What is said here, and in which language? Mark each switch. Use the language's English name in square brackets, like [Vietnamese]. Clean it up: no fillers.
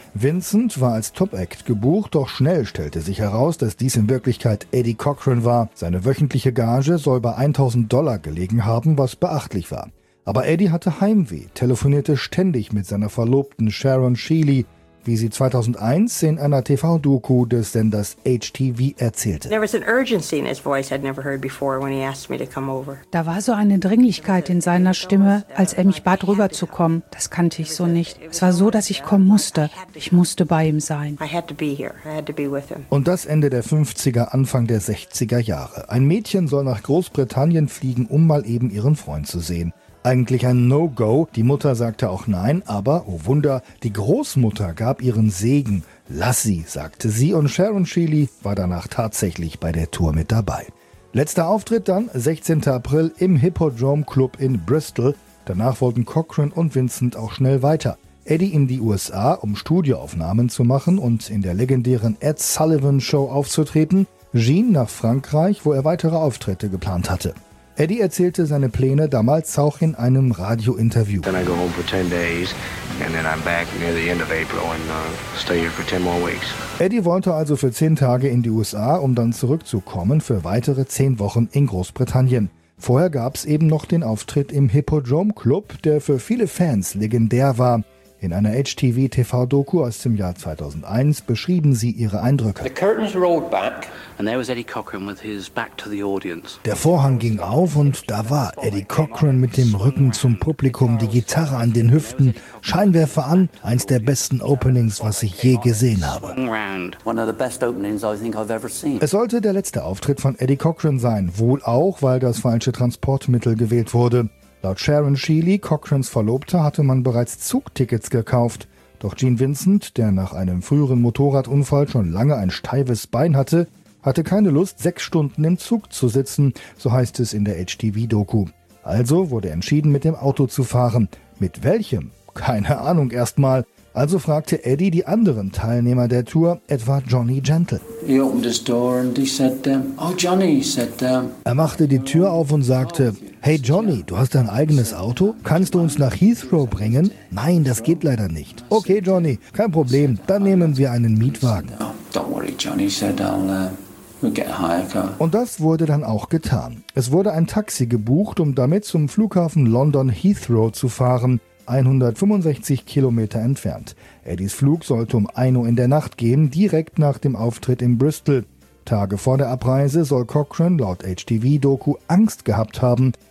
[German] Vincent war als Top-Act gebucht, doch schnell stellte sich heraus, dass dies in Wirklichkeit Eddie Cochran war. Seine wöchentliche Gage soll bei $1,000 gelegen haben, was beachtlich war. Aber Eddie hatte Heimweh, telefonierte ständig mit seiner Verlobten Sharon Sheely, wie sie 2001 in einer TV-Doku des Senders HTV erzählte. [English] There was an urgency in his voice I'd never heard before when he asked me to come over. [German] Da war so eine Dringlichkeit in seiner Stimme, als er mich bat, rüberzukommen. Das kannte ich so nicht. Es war so, dass ich kommen musste. Ich musste bei ihm sein. [English] I had to be here. I had to be with him. [German] Und das Ende der 50er, Anfang der 60er Jahre. Ein Mädchen soll nach Großbritannien fliegen, um mal eben ihren Freund zu sehen. Eigentlich ein No-Go, die Mutter sagte auch nein, aber, oh Wunder, die Großmutter gab ihren Segen. Lass sie, sagte sie, und Sharon Sheely war danach tatsächlich bei der Tour mit dabei. Letzter Auftritt dann, 16. April, im Hippodrome Club in Bristol. Danach wollten Cochran und Vincent auch schnell weiter. Eddie in die USA, um Studioaufnahmen zu machen und in der legendären Ed Sullivan Show aufzutreten. Gene nach Frankreich, wo er weitere Auftritte geplant hatte. Eddie erzählte seine Pläne damals auch in einem Radio-Interview. [English] Then I go home for 10 days and then I'm back near the end of April and stay here for 10 more weeks. [German] Eddie wollte also für 10 Tage in die USA, um dann zurückzukommen für weitere 10 Wochen in Großbritannien. Vorher gab es eben noch den Auftritt im Hippodrome Club, der für viele Fans legendär war. In einer HTV-TV-Doku aus dem Jahr 2001 beschrieben sie ihre Eindrücke. [English] The curtains rolled back and there was Eddie Cochran with his back to the audience. [German] Der Vorhang ging auf und da war Eddie Cochran mit dem Rücken zum Publikum, die Gitarre an den Hüften, Scheinwerfer an, eins der besten Openings, was ich je gesehen habe. Es sollte der letzte Auftritt von Eddie Cochran sein, wohl auch, weil das falsche Transportmittel gewählt wurde. Laut Sharon Sheely, Cochrans Verlobter, hatte man bereits Zugtickets gekauft. Doch Gene Vincent, der nach einem früheren Motorradunfall schon lange ein steifes Bein hatte, hatte keine Lust, 6 Stunden im Zug zu sitzen, so heißt es in der HTV-Doku. Also wurde entschieden, mit dem Auto zu fahren. Mit welchem? Keine Ahnung erstmal. Also fragte Eddie die anderen Teilnehmer der Tour, etwa Johnny Gentle. [English] He opened his door and he said, oh Johnny, he said, [German] Er machte die Tür auf und sagte, hey Johnny, du hast dein eigenes Auto? Kannst du uns nach Heathrow bringen? Nein, das geht leider nicht. Okay Johnny, kein Problem, dann nehmen wir einen Mietwagen. [English] Oh, don't worry Johnny, said I'll... [German] Und das wurde dann auch getan. Es wurde ein Taxi gebucht, um damit zum Flughafen London Heathrow zu fahren, 165 Kilometer entfernt. Eddies Flug sollte um 1 Uhr in der Nacht gehen, direkt nach dem Auftritt in Bristol. Tage vor der Abreise soll Cochran laut HTV-Doku Angst gehabt haben.